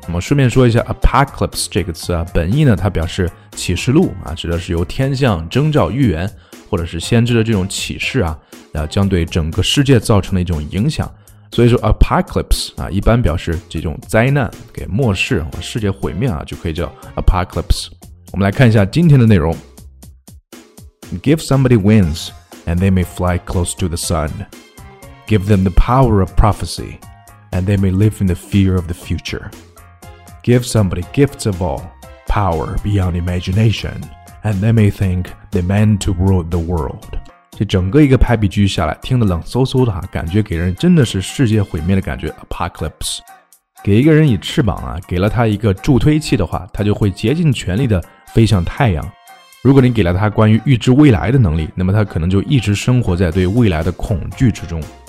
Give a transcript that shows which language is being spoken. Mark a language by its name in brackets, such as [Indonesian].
[Chinese] 那么顺便说一下 Apocalypse 这个词啊，本意呢，它表示启示录啊，指的是由天象征兆预言或者是先知的这种启示啊，将对整个世界造成的一种影响。所以说 Apocalypse 啊，一般表示这种灾难，给末世，世界毁灭啊，就可以叫 Apocalypse。我们来看一下今天的内容。 [English] Give somebody wings, and they may fly close to the sun. Give them the power of prophecy, and they may live in the fear of the future. Give somebody gifts of all power beyond imagination, and they may think they meant to rule the world. [Chinese] 这整个一个排比句下来，听得冷飕飕的哈，感觉给人真的是世界毁灭的感觉。 Apocalypse， 给一个人以翅膀啊，给了他一个助推器的话，他就会竭尽全力的飞向太阳。如果你给了他关于预知未来的能力，那么他可能就一直生活在对未来的恐惧之中。